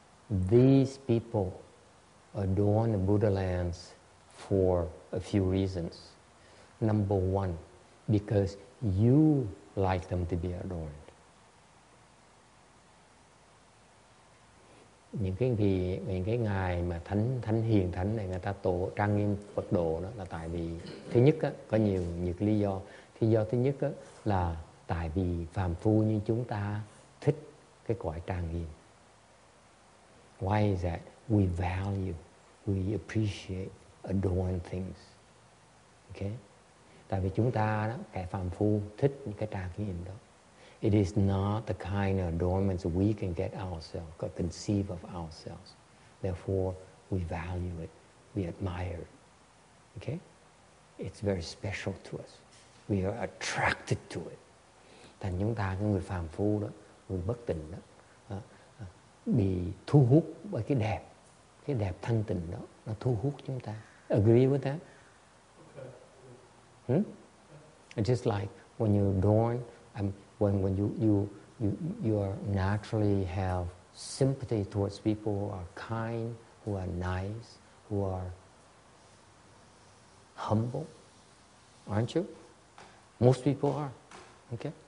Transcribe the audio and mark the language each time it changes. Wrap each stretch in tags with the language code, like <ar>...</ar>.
<en>these people adorn the Buddha lands for a few reasons. Number one, because you like them to be adorned.</en> <vi>Những cái ngày mà thánh hiền thánh này người ta tổ trang nghiêm Phật độ đó là tại vì thứ nhất á, có nhiều cái lý do. Thì do thứ nhất á, là tại vì phàm phu như chúng ta thích cái cõi trang nghiêm.</vi> <en>Why is that? We value, we appreciate, adorn things. Okay?</en> <vi>Tại vì chúng ta đó, cái phàm phu thích những cái trang nghiêm đó.</vi> <en>It is not the kind of adornments we can get ourselves, or conceive of ourselves. Therefore, we value it, we admire it. Okay? It's very special to us. We are attracted to it.</en> <vi>Thành chúng ta, cái người phàm phu đó, người bất tịnh đó, bị thu hút bởi cái đẹp thanh tịnh đó, nó thu hút chúng ta.</vi> <en>Agree with that? Hmm? Just like when you adorn, when you are naturally have sympathy towards people who are kind, who are nice, who are humble, aren't you? Most people are. Okay.</en>